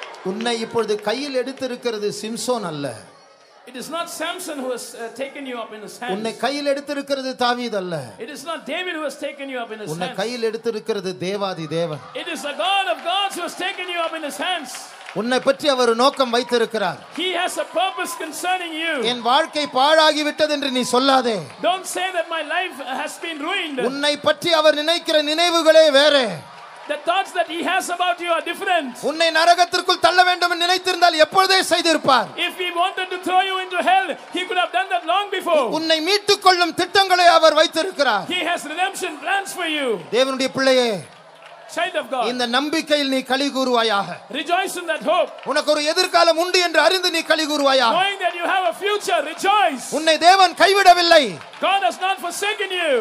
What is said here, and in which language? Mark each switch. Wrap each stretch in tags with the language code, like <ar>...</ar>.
<ta>உன்னை இப்பொழுது கையில் எடுத்திருக்கிறது சிம்சோன் அல்ல.</ta> <en>It is not Samson who has taken you up in his hands.</en> <ta>உன்னை கையில் எடுத்திருக்கிறது தாவீத் அல்ல.</ta> <en>It is not David who has taken you up in his hands.</en> <ta>உன்னை கையில் எடுத்திருக்கிறது தேவாதி தேவன்.</ta> <en>It is the God of gods who has taken you up in his hands.</en> <ta>உன்னை பற்றி அவர் நோக்கம் வைத்திருக்கிறார்.</ta> <en>He has a purpose concerning you.</en> <ta>என் வாழ்க்கை பாழாகி விட்டது என்று நீ சொல்லாதே.</ta> <en>Don't say that my life has been ruined.</en> <ta>உன்னை பற்றி அவர் நினைக்கிற நினைவுகளே வேறு.</ta> <en>The thoughts that he has about you are different.</en> <ta>உன்னை நரகத்திற்குள் தள்ள வேண்டும் என்று நினைத்திருந்தால் எப்பொழுதே செய்திருப்பார்.</ta> <en>If he wanted to throw you into hell, he could have done that long before.</en> <ta>உன்னை மீட்டுக் கொள்ளும் திட்டங்களை அவர் வைத்திருக்கிறார்.</ta> <en>He has redemption plans for you.</en> <ta>தேவனுடைய பிள்ளையே,</ta> <en>child of God,</en> <ta>இந்த நம்பிக்கையில் நீ களி கூறுவாயாக.</ta> <en>Rejoice in that hope.</en> <ta>உனக்கு ஒரு எதிர்காலம் உண்டு என்று அறிந்து நீ களி கூறுவாயாக.</ta> <en>Knowing that you have a future, rejoice.</en> <ta>உன்னை தேவன் கைவிடவில்லை.</ta> <en>God has not forsaken you.</en>